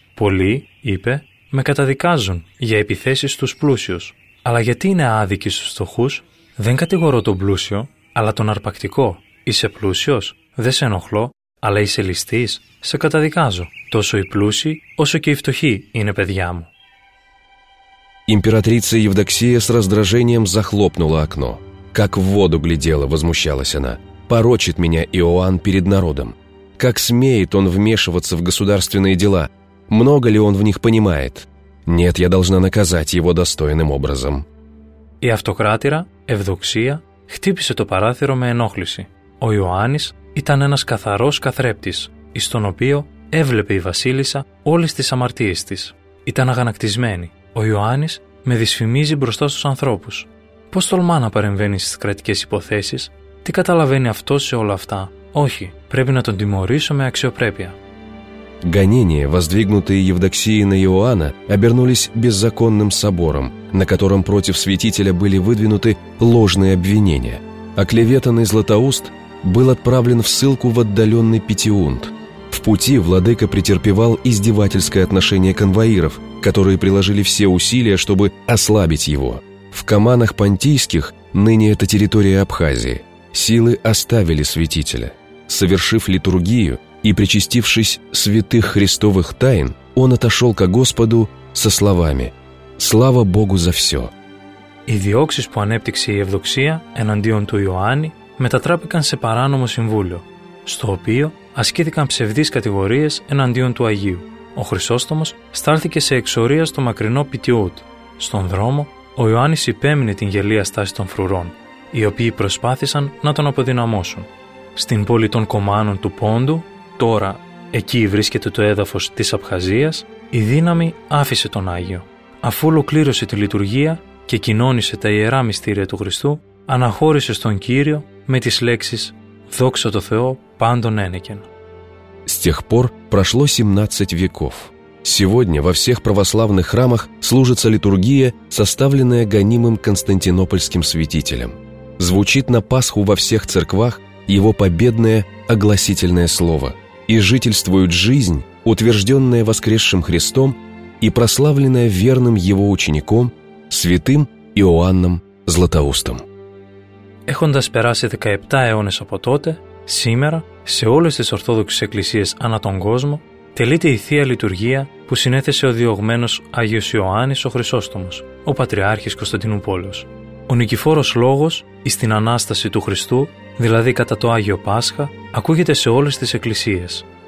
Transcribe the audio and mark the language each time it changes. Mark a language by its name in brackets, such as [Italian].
[Greek] Πολλοί, είπε, με καταδικάζουν για επιθέσεις στους πλούσιους. Αλλά γιατί είναι άδικοι στους φτωχούς? Δεν κατηγορώ τον πλούσιο, αλλά τον αρπακτικό. Είσαι πλούσιος? Δεν σε ενοχλώ. Αλλά είσαι ληστής, σε καταδικάζω. Τόσο οι πλούσιοι, όσο και οι φτωχοί είναι παιδιά μου. [Russian] Императрица Евдоксия с раздражением захлопнула окно. Как в воду глядела, возмущалась она. порочит меня Иоанн перед народом. Как смеет он вмешиваться в государственные дела? Много ли он в них понимает? Нет, я должна наказать его достойным образом». [Greek] Η αυτοκράτηρα, Ευδοξία, χτύπησε το παράθυρο με ενόχληση. Ο Ιωάννης ήταν ένας καθαρός καθρέπτης, εις τον οποίο έβλεπε η βασίλισσα όλες τις αμαρτίες της. Ήταν αγανακτισμένη. Ο Ιωάννης με δυσφημίζει μπροστά στους ανθρώπους. Πώς τολμά να παρεμβαίνει στις κρατικές υποθέσεις? Τι καταλαβαίνει αυτός σε όλα αυτά? Όχι, πρέπει να τον τιμωρήσω με αξιοπρέπεια. [Russian] Гонения, воздвигнутые Евдоксией на Иоанна, обернулись беззаконным собором, на котором против святителя были выдвинуты ложные обвинения. Оклеветанный Златоуст был отправлен в ссылку в отдаленный Петиунт. В пути владыка претерпевал издевательское отношение конвоиров, которые приложили все усилия, чтобы ослабить его. В Каманах Понтийских, ныне это территория Абхазии, силы оставили святителя. Совершив литургию и причастившись святых христовых тайн, он отошел ко Господу со словами: «Слава Богу за все». [Greek] Οι διώξεις που ανέπτυξε η Ευδοξία εναντίον του Ιωάννη μετατράπηκαν σε παράνομο συμβούλιο, στο οποίο ασκήθηκαν ψευδείς κατηγορίες εναντίον του Αγίου. Ο Χρυσόστομος στάλθηκε σε εξορία στο μακρινό Πιτιούτ. Στον δρόμο, ο Ιωάννης υπέμεινε την γελία στάση των φρουρών, οι οποίοι προσπάθησαν να τον αποδυναμώσουν. Στην πόλη των Κομάνων του Πόντου, τώρα εκεί βρίσκεται το έδαφος της Αμπχαζίας, η δύναμη άφησε τον Άγιο. Αφού ολοκλήρωσε τη λειτουργία και κοινώνησε τα ιερά μυστήρια του Χριστού, αναχώρησε στον Κύριο με τις λέξεις «Δόξα τω Θεώ πάντων ένεκεν». [Russian] С тех пор прошло 17 веков. Сегодня во всех православных храмах служится литургия, составленная гонимым константинопольским святителем. Звучит на Пасху во всех церквах его победное огласительное слово, и жительствует жизнь, утвержденная воскресшим Христом и прославленная верным его учеником, святым Иоанном Златоустом. [Greek] Έχοντας περάσει 17 αιώνες από τότε, σήμερα, σε όλες τις Ορθόδοξες Εκκλησίες ανά τον κόσμο, τελείται η Θεία Λειτουργία που συνέθεσε ο διωγμένος Άγιος Ιωάννης ο Χρυσόστομος, ο Πατριάρχης Κωνσταντινούπολης. Ο νικηφόρος λόγος, εις την Ανάσταση του Χριστού, δηλαδή κατά το Άγιο Πάσχα, ακούγεται σε όλες τις εκκλησίες.